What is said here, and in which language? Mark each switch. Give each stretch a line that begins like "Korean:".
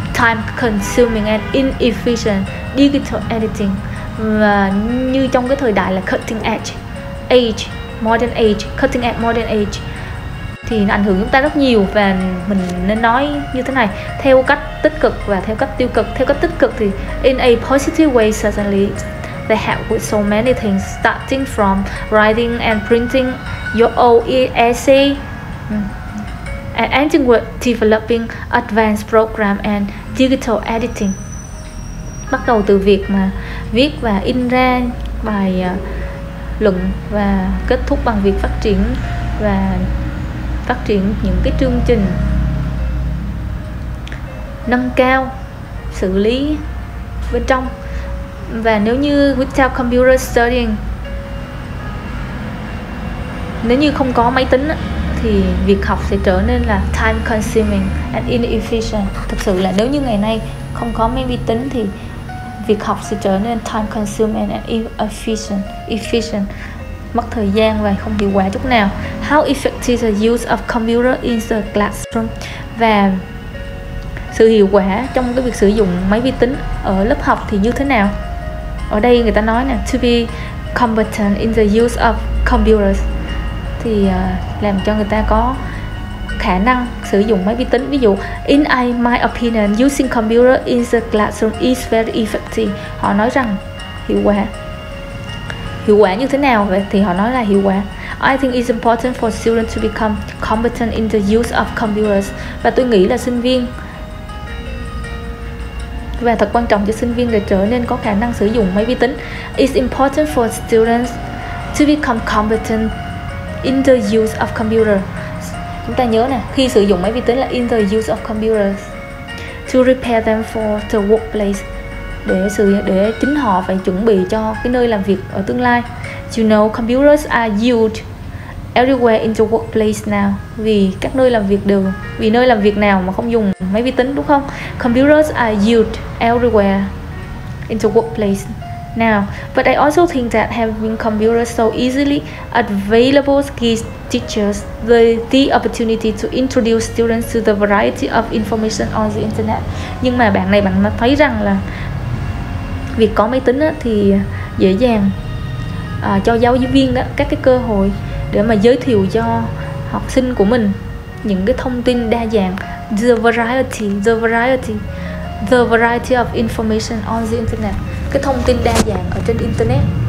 English: Time consuming and inefficient digital editing.
Vietnamese: Và như trong cái thời đại là
English: cutting edge modern age
Vietnamese: thì nó ảnh hưởng chúng ta rất nhiều. Và mình nên nói như thế này, theo cách tích cực và theo cách tiêu cực. Theo cách tích cực thì
English: in a positive way, certainly they help with so many things, starting from writing and printing your own essay and ending with developing advanced program and digital editing.
Vietnamese: Bắt đầu từ việc mà viết và in ra bài luận và kết thúc bằng việc phát triển những cái chương trình nâng cao xử lý bên trong. Và nếu như without computer studying, nếu như không có máy tính thì việc học sẽ trở nên là
English: time consuming and inefficient.
Vietnamese: Thực sự là nếu như ngày nay không có máy vi tính thì việc học sẽ trở nên
English: time consuming and inefficient,
Vietnamese: mất thời gian và không hiệu quả chút nào.
English: How effective is the use of computer in the classroom?
Vietnamese: Và sự hiệu quả trong cái việc sử dụng máy vi tính ở lớp học thì như thế nào? Ở đây người ta nói nè,
English: to be competent in the use of computers
Vietnamese: thì làm cho người ta có khả năng sử dụng máy vi tính.
English: Ví dụ, in my opinion, using computer in the classroom is very effective.
Vietnamese: Họ nói rằng hiệu quả như thế nào vậy? Thì họ nói là hiệu quả.
English: I think it's important for students to become competent in the use of computers.
Vietnamese: Và tôi nghĩ là sinh viên, và thật quan trọng cho sinh viên để trở nên có khả năng sử dụng máy vi tính.
English: It's important for students to become competent in the use of computer.
Vietnamese: Chúng ta nhớ nè, khi sử dụng máy vi tính là
English: in the use of computers, to repair them for the workplace,
Vietnamese: để chính họ phải chuẩn bị cho cái nơi làm việc ở tương lai.
English: You know, computers are used everywhere in the workplace now.
Vietnamese: Vì các nơi làm việc đều, vì nơi làm việc nào mà không dùng máy vi tính, đúng không?
English: Computers are used everywhere in the workplace now. But I also think that having computers so easily available gives teachers the opportunity to introduce students to the variety of information on the internet.
Vietnamese: Nhưng mà bạn này bạn thấy rằng là việc có máy tính á, thì dễ dàng cho giáo viên á, các cái cơ hội để mà giới thiệu cho học sinh của mình những cái thông tin đa dạng.
English: The variety of information on the internet,
Vietnamese: cái thông tin đa dạng ở trên internet.